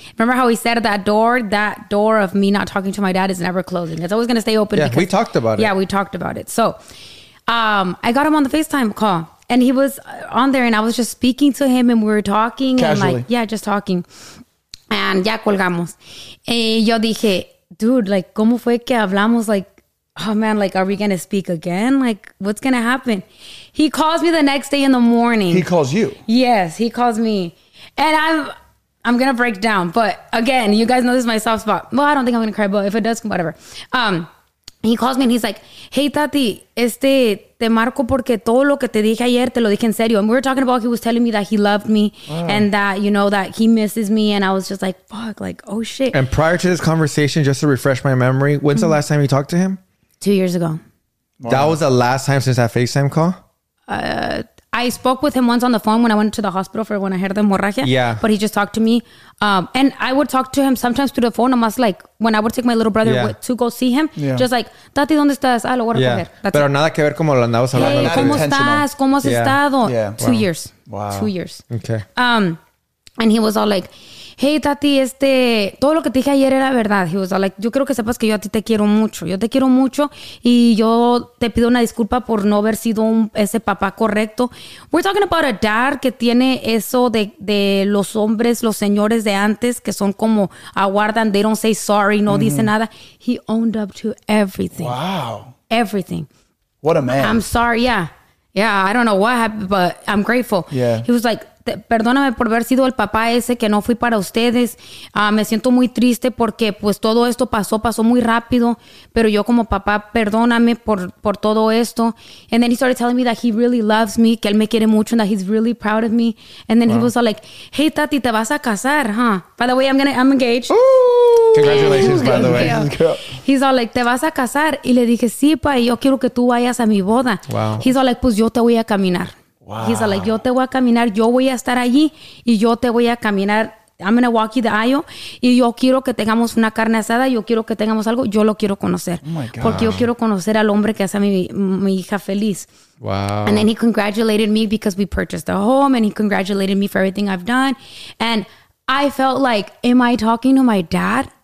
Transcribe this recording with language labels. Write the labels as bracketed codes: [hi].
[en] Remember how he said that door of me not talking to my dad is never closing. It's always going to stay open. Yeah, because, we talked about it. So I got him on the FaceTime call. And he was on there and I was just speaking to him and we were talking. Casually. And like, yeah, just talking. [es] And ya colgamos. Y yo dije, dude, like, ¿cómo fue que hablamos? [en] Like, oh man, like, are we going to speak again? Like, what's going to happen? He calls me the next day in the morning. He calls you? Yes, he calls me. And I'm going to break down. But again, you guys know this is my soft spot. Well, I don't think I'm going to cry, but if it does, whatever. He calls me and he's like, hey, Tati, [es] te marco porque todo lo que te dije ayer, te lo dije en serio. [en] And we were talking about, he was telling me that he loved me and that, you know, that he misses me. And I was just like, fuck, like, oh shit. And prior to this conversation, just to refresh my memory, when's the last time you talked to him? 2 years ago. Wow. That was the last time since that FaceTime call? I spoke with him once on the phone when I went to the hospital for when I had the hemorrhagia. Yeah. But he just talked to me. And I would talk to him sometimes through the phone. I'm like, when I would take my little brother to go see him, just like, Tati, [es] ¿dónde estás? Ah, lo voy a coger. [en] That's Pero it. [es] Nada que ver como lo andabas hablando. Hey, ¿cómo estás? ¿Cómo has estado? [en] Yeah. Two years. Wow. 2 years. Okay. And he was all like, hey, Tati, [es] todo lo que te dije ayer era verdad. [en] He was all like, [es] yo quiero que sepas que yo a ti te quiero mucho. Yo te quiero mucho y yo te pido una disculpa por no haber sido ese papá correcto. [en] We're talking about a dad [es] que tiene eso de los hombres, los señores de antes, que son como aguardan, [en] they don't say sorry, [es] no dice nada. [en] He owned up to everything. Wow. Everything. What a man. I'm sorry, yeah, I don't know what happened, but I'm grateful. Yeah. He was like, [es] perdóname por haber sido el papá ese que no fui para ustedes. Me siento muy triste porque pues todo esto pasó muy rápido. Pero yo como papá, perdóname por todo esto. [en] And then he started telling me that he really loves me, [es] que él me quiere mucho, [en] and that he's really proud of me. And then he was all like, hey, Tati, [es] ¿te vas a casar, huh? [en] By the way, I'm engaged. Ooh, congratulations, by the way. He's all like, [es] ¿te vas a casar? Y le dije, sí, pa, y yo quiero que tú vayas a mi boda. [en] Wow. He's all like, [es] pues yo te voy a caminar. [en] Wow. He's all like, [es] yo te voy a caminar, yo voy a estar allí y yo te voy a caminar. [en] I'm going to walk you the aisle [es] y yo quiero que tengamos una carne asada, yo quiero que tengamos algo, yo lo quiero conocer. [en] Oh my God. [es] Porque yo quiero conocer al hombre que hace a mi hija feliz. [en] Wow. And then he congratulated me because we purchased a home and he congratulated me for everything I've done. And I felt like, am I talking to my dad?